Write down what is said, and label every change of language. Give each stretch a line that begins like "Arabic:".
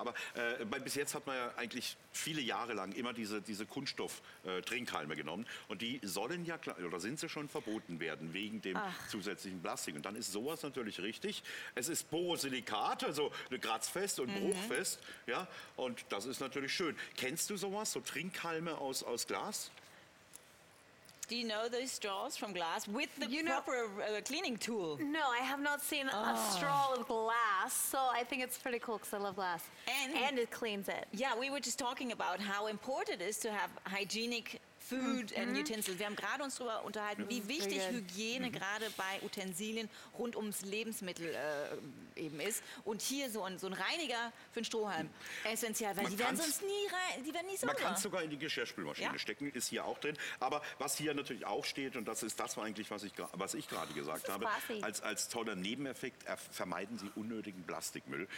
German: Aber bis jetzt hat man ja eigentlich viele Jahre lang immer diese Kunststoff-Trinkhalme genommen. Und die sollen ja, oder sind sie schon verboten werden, wegen dem zusätzlichen Plastik. Und dann ist sowas natürlich richtig. Es ist Borosilikat, also kratzfest und bruchfest. Ja? Und das ist natürlich schön. Kennst du sowas, so Trinkhalme aus Glas?
English: Do you know those straws from glass with the cleaning tool? No, I have not seen a straw with glass, so I think it's pretty cool because I love glass. And it cleans it. Yeah, we were just talking about how important it is to have hygienic food and utensils.
German: Wir haben gerade uns darüber unterhalten, wie wichtig Hygiene gerade bei Utensilien rund ums Lebensmittel eben ist. Und hier so ein Reiniger für den Strohhalm. Essentiell, weil die werden nie sauber. Man kann es sogar in die Geschirrspülmaschine stecken, ist hier auch drin. Aber was hier natürlich auch steht, und das ist das eigentlich, was ich gerade gesagt habe, als toller Nebeneffekt, vermeiden Sie unnötigen Plastikmüll.